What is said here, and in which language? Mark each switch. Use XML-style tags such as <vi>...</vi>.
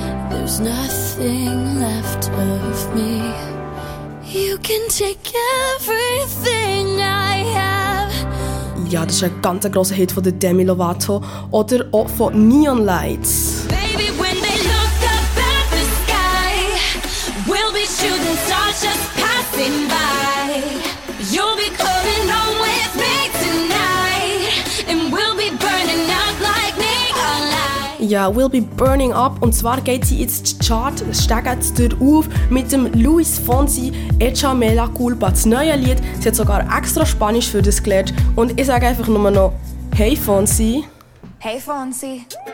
<en>There's nothing left of me. You can take everything I have.</en> <de>Ja, das ist ein ganz grosser Hit von der Demi Lovato oder auch von Neon Lights.</de> <en>Baby, when they look up at the sky, we'll be shooting stars just passing by. You'll be coming home with me tonight, and we'll be burning up like neon lights.</en> <de>Ja,</de> <en>we'll be burning up,</en> <de>und zwar geht sie jetzt die Chart steigt durch auf mit dem Luis Fonsi Echa Mela Culpa, das neue Lied. Sie hat sogar extra Spanisch für das gelernt. Und ich sage einfach nur noch, hey Fonsi. Hey Fonsi.</de>